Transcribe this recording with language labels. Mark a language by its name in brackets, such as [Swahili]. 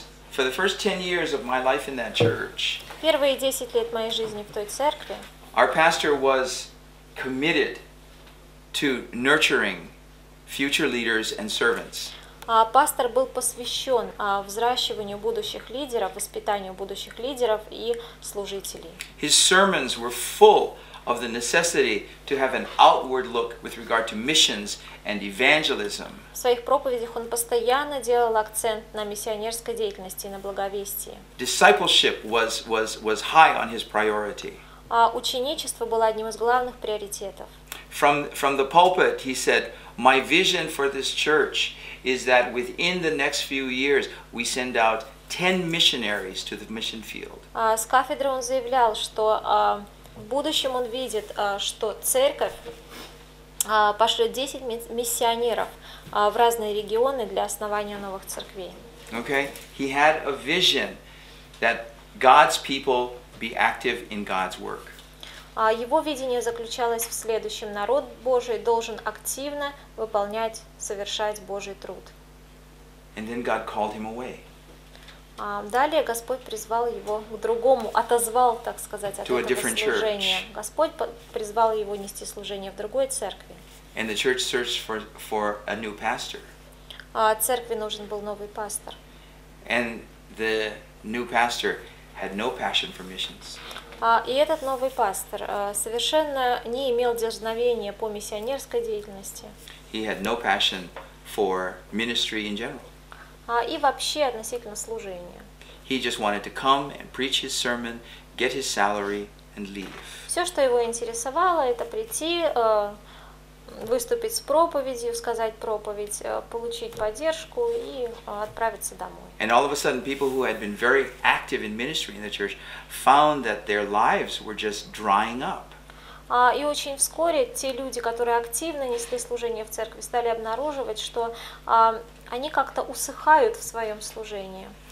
[English] For the first 10 years of my life in that church, [Russian] первые 10 лет моей жизни в той церкви, [English] our pastor was committed to nurturing future leaders and servants. [Russian] Пастор был посвящен взращиванию будущих лидеров, воспитанию будущих лидеров и служителей. [English] His sermons were full of the necessity to have an outward look with regard to missions and evangelism. [Russian] В своих проповедях он постоянно делал акцент на миссионерской деятельности и на благовестии. [English] Discipleship was high on his priority. [Russian] Ученичество было одним из главных приоритетов. [English] From the pulpit, he said, My vision for this church is that within the next few years we send out 10 missionaries to the mission field. [Russian] С кафедры он заявлял, что в будущем он видит, что церковь пошлет 10 миссионеров в разные регионы для основания новых церквей. [English] Okay, he had a vision that God's people be active in God's work. [Russian] Его видение заключалось в следующем: народ Божий должен активно выполнять, совершать Божий труд. [English] And then God called him away. [Russian] Далее Господь призвал его к другому, отозвал, так сказать, от этого служения. Господь призвал его нести служение в другой церкви. [English] And the church searched for a new pastor. [Russian] Церкви нужен был новый пастор. [English] And the new pastor had no passion for missions. [Russian] И этот новый пастор совершенно не имел дерзновения по миссионерской деятельности. [English] He had no passion for ministry in general. [Russian] И вообще относительно служения. [English] He just wanted to come and preach his sermon, get his salary, and leave. [Russian] Все, что его интересовало, это прийти, выступить с проповедью, сказать проповедь, получить поддержку и отправиться домой. [English] And all of a sudden, people who had been very active in ministry in the church found that their lives were just drying up. [Russian] И очень вскоре те люди, которые активно несли служение в церкви, стали обнаруживать, что они как-то усыхают в своем служении.